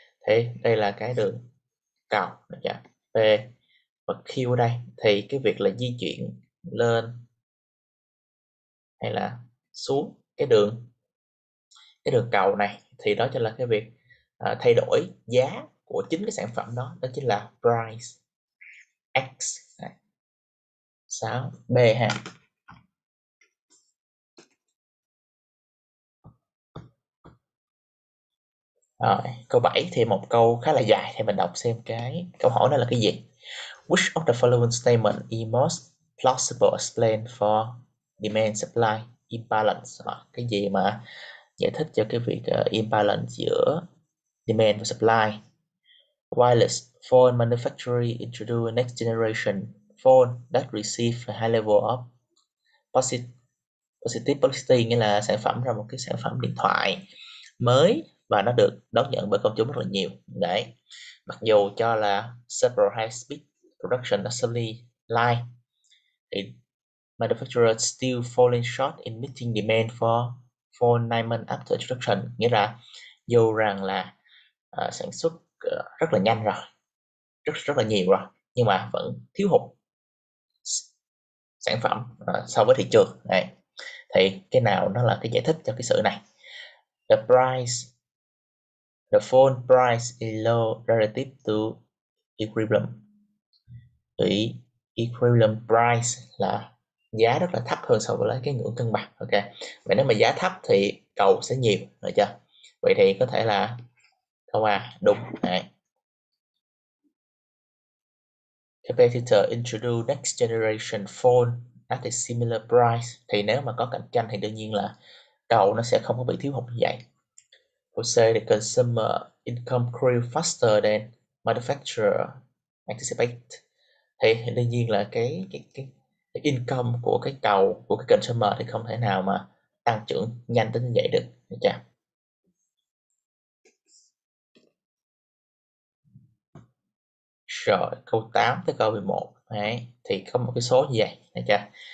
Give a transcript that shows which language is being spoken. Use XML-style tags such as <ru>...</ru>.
<vi>Thì đây là cái đường cầu P và Q ở đây thì cái việc là di chuyển lên hay là xuống cái đường cầu này thì đó chính là cái việc thay đổi giá của chính cái sản phẩm đó, đó chính là price X 6 B ha. Rồi, câu 7 thì một câu khá là dài, thì mình đọc xem cái câu hỏi đó là cái gì.</vi> <en>Which of the following statement is most plausible explain for demand supply imbalance?</en> <vi>Cái gì mà giải thích cho cái việc imbalance giữa demand và supply?</vi> <en>Wireless phone manufacturer introduce next generation phone that receive a high level of positive,</en> <vi>nghĩa là sản phẩm ra một cái sản phẩm điện thoại mới và nó được đón nhận bởi công chúng rất là nhiều. Đấy, mặc dù cho là</vi> <en>several high speed production assembly line</en> <vi>thì</vi> <en>manufacturer still falling short in meeting demand for 4-9 months after introduction,</en> <vi>nghĩa là dù rằng là sản xuất rất là nhanh rồi, rất rất là nhiều rồi, nhưng mà vẫn thiếu hụt sản phẩm so với thị trường. Đấy, thì cái nào nó là cái giải thích cho cái sự này?</vi> <en>The phone price is low relative to equilibrium.</en> <vi>Equilibrium price là giá rất là thấp hơn so với cái ngưỡng cân bằng. Ok. Vậy nếu mà giá thấp thì cầu sẽ nhiều, được chưa? Vậy thì có thể là câu A đúng. Đấy.</vi> <en>Competitor introduce next generation phone at a similar price.</en> <vi>Thì nếu mà có cạnh tranh thì đương nhiên là cầu nó sẽ không có bị thiếu hụt như vậy. Câu C,</vi> <en>the consumer income grew faster than manufacturer anticipate.</en> <vi>Thì đương nhiên là cái income của cái cầu của cái consumer thì không thể nào mà tăng trưởng nhanh đến như vậy được. Được chưa? Rồi, câu 8 tới câu 11 đấy, thì có một cái số như vậy này cha.</vi>